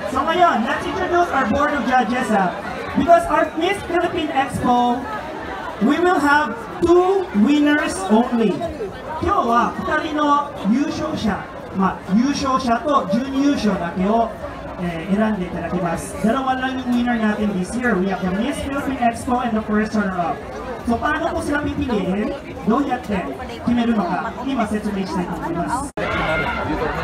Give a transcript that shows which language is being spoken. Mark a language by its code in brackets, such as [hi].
[en] So ngayon, let's introduce our board of judges. Because our Miss Philippine Expo, we will have two winners only. [ja] 今日は2人の優勝者、まあ、優勝者と準優勝だけを、選んでいただきます。 [tl] Dalawa lang yung winner natin [en] this year. We have the Miss Philippine Expo and the first runner-up. [tl] So paano po sila pipiliin? [ja] どうやって決めるのか、今説明したいと思います。